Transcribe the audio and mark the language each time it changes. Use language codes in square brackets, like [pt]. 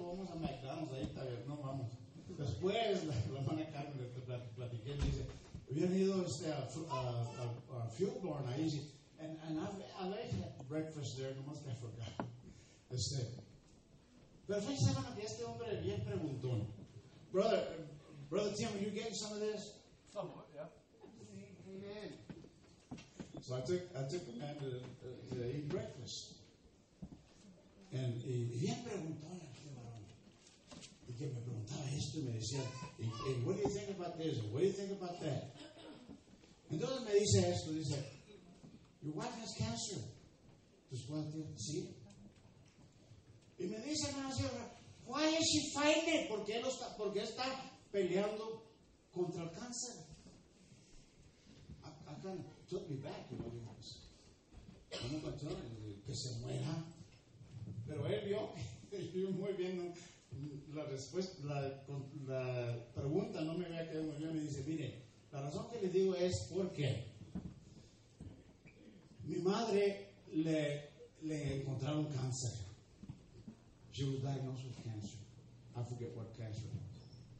[es] Vamos a McDonald's ahí, tal vez, no vamos. Después, la hermana Carmen, le platiqué, le dice, habían ido a Fieldborn, ahí, [en] and I've had breakfast there, [es] no más que [en] forgot. [es] Pero fíjense, hermano, que este hombre bien preguntó. [en] Brother Tim, are you getting some of this? Somewhat, yeah. Amen. So I took a man to eat breakfast. [es] And bien preguntó a este varón. Y que me preguntaba esto y me decía, [en] hey, what do you think about this? What do you think about that? [es] Entonces me dice esto, dice, [en] your wife has cancer. [es] ¿Tu esposa tiene? Sí. Y me dice, hermano, [en] why is she fighting? [es] ¿Por qué está peleando contra el cáncer? [en] I kind of took me back, you know, [es] que se muera. Pero él vio, muy bien, ¿no? La respuesta, la pregunta no me había quedado muy bien. Me dice, mire, la razón que le digo es porque mi madre le encontraron cáncer. [en] She was diagnosed with cancer. I forget what cancer was.